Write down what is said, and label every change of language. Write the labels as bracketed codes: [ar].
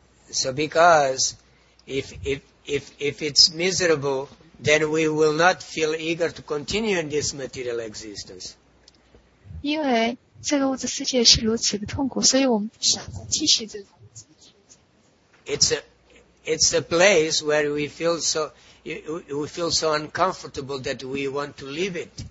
[en] So because if it's miserable, then we will not feel eager to continue in this material existence. [zh] 因为这个物质世界是如此的痛苦，所以我们不想再继续这个物质世界。 [en] It's a place where we feel so... We feel so uncomfortable that we want to leave it.